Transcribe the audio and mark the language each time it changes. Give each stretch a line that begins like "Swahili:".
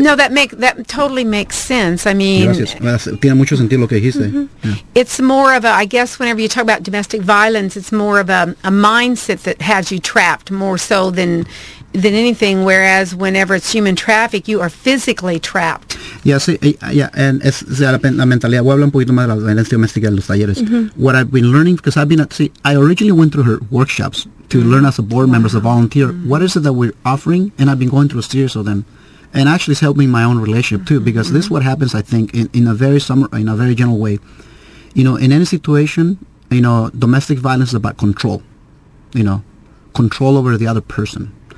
English: No, that totally makes sense. I mean...
Spanish: Gracias. Tiene mucho sentido lo que dijiste.
English: It's more of a, I guess, whenever you talk about domestic violence, it's more of a mindset that has you trapped more so than anything, whereas whenever it's human traffic, you are physically trapped.
Spanish: Yeah, sí, and es la mentalidad. Voy a hablar un poquito más de la violencia doméstica en los talleres. Mm-hmm.
English: What I've been learning, because I've been at, see, I originally went through her workshops to mm-hmm. learn as a board member, as a volunteer, mm-hmm. what is it that we're offering, and I've been going through a series of them, and actually it's helped me in my own relationship too, because mm-hmm. this is what happens, I think, in a very general way. You know, in any situation, you know, domestic violence is about control, you know, control over the other person.